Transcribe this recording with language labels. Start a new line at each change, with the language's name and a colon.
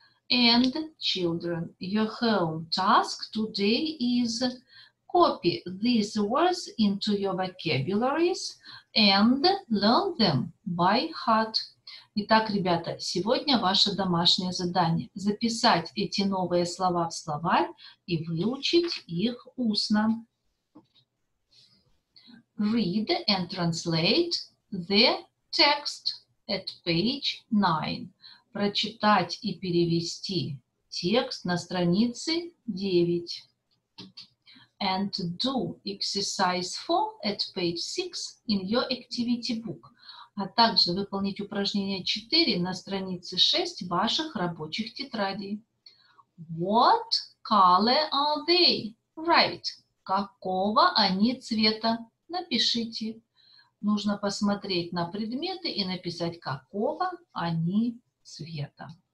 English: And, children, your home task today is copy these words into your vocabularies and learn them by heart.
Russian: Итак, ребята, сегодня ваше домашнее задание – записать эти новые слова в словарь и выучить их устно.
English: Read and translate the text at page 9.
Russian: Прочитать и перевести текст на странице 9.
English: And do exercise 4 at page 6 in your activity book.
Russian: а также выполнить упражнение 4 на странице 6 ваших рабочих тетрадей.
English: What color are they? Write.
Russian: Какого они цвета? Напишите. Нужно посмотреть на предметы и написать, какого они цвета.